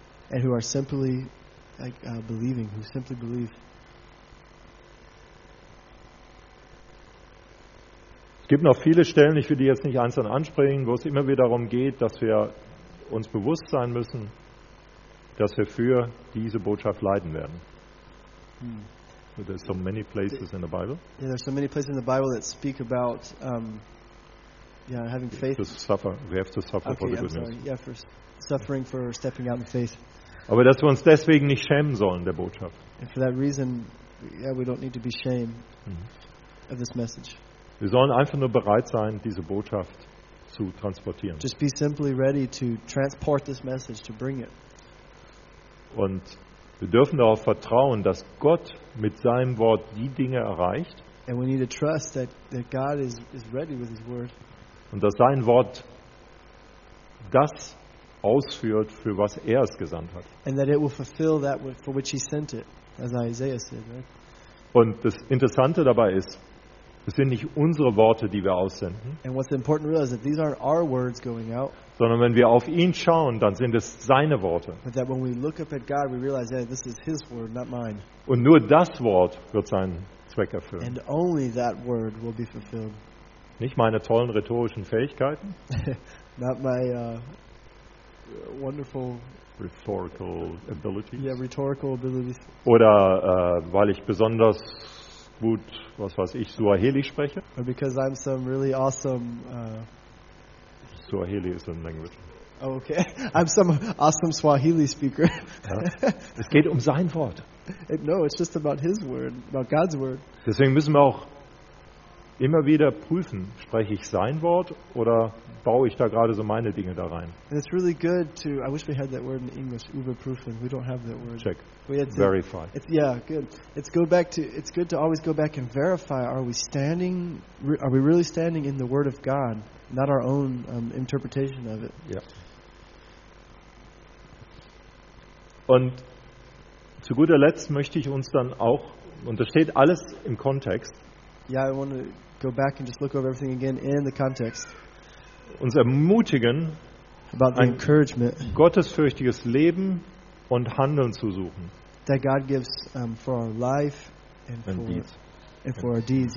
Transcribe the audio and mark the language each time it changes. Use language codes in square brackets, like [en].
[en] And who are simply believing, who simply believe. [de] Es gibt noch viele Stellen, ich will die jetzt nicht einzeln ansprechen, wo es immer wieder darum geht, dass wir uns bewusst sein müssen, dass wir für diese Botschaft leiden werden. [en] So there's so many places in the Bible. Yeah, there's so many places in the Bible that speak about having faith. We have to suffer for the good news. Yeah, for suffering for stepping out in faith. [de] Aber dass wir uns deswegen nicht schämen sollen der Botschaft. [en] And for that reason, we don't need to be ashamed of this message. [de] Wir sollen einfach nur bereit sein, diese Botschaft zu transportieren. [en] Just be simply ready to transport this message, to bring it. [de] Und wir dürfen darauf vertrauen, dass Gott mit seinem Wort die Dinge erreicht. [en] And we need to trust that God is ready with his word. [de] Und dass sein Wort das ausführt, für was es gesandt hat. [en] And that it will fulfill that for which he sent it, as Isaiah said, right? [de] Und das Interessante dabei ist, es sind nicht unsere Worte, die wir aussenden. [en] And what's important to realize is that these aren't our words going out. [de] Sondern wenn wir auf ihn schauen, dann sind es seine Worte. [en] But that when we look up at God, we realize that this is his word, not mine. [de] Und nur das Wort wird seinen Zweck erfüllen. [en] And only that word will be fulfilled. [de] Nicht meine tollen rhetorischen Fähigkeiten. [en] Not my wonderful rhetorical abilities. Yeah, rhetorical abilities. [de] Oder weil ich besonders gut, was weiß ich, Swahili spreche. [en] Or because I'm some really awesome Swahili is a language. Oh, okay. I'm some awesome Swahili speaker. [de] Ja. Es geht um sein Wort. [en] No, it's just about his word, about God's word. [de] Deswegen müssen wir auch immer wieder prüfen, spreche ich sein Wort oder baue ich da gerade so meine Dinge da rein? [en] And it's really good to, I wish we had that word in English, überprüfen. We don't have that word. Check. Verify. Good. It's good to always go back and verify, are we really standing in the word of God, not our own interpretation of it? Yeah. [de] Und zu guter Letzt möchte ich uns dann auch, und das steht alles im Kontext, [en] yeah, I want to go back and just look over everything again in the context. [de] Uns ermutigen, [en] about the encouragement, [de] gottesfürchtiges Leben und Handeln zu suchen. [en] That God gives for our life and for our deeds.